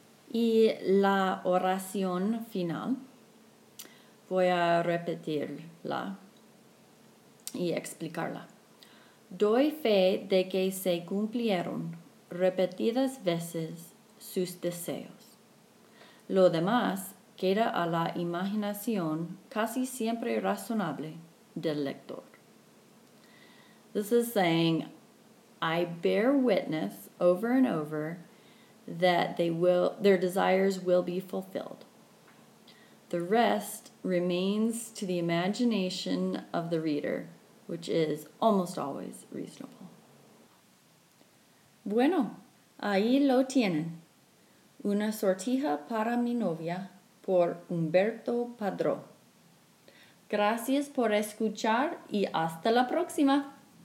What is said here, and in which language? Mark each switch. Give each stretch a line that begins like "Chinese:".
Spanish: Y la oración final, voy a repetirla y explicarla. Doy fe de que se cumplieron repetidas veces sus deseos. Lo demás queda a la imaginación casi siempre razonable del lector.
English: This is saying, I bear witness over and over that their desires will be fulfilled. The rest remains to the imagination of the reader, which is almost always reasonable.
Spanish: Bueno, ahí lo tienen. Una sortija para mi novia por Humberto Padró. Gracias por escuchar y hasta la próxima.